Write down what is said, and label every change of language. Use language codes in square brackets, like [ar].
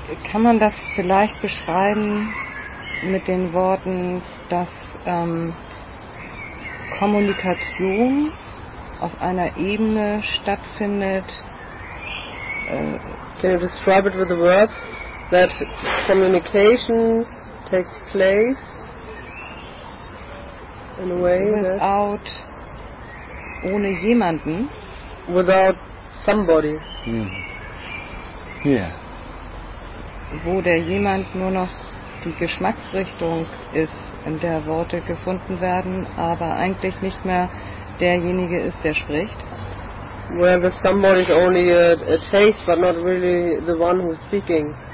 [de] Kann man das vielleicht beschreiben mit den Worten, dass Kommunikation auf einer Ebene stattfindet? [en] Can you describe it with the words that communication takes place in a way without, [de] ohne jemanden? [en] Without somebody. Mm. Yeah. [de] Wo der jemand nur noch die Geschmacksrichtung ist, in der Worte gefunden werden, aber eigentlich nicht mehr derjenige ist, der spricht. [en] Where the somebody is only a taste, but not really the one who's speaking.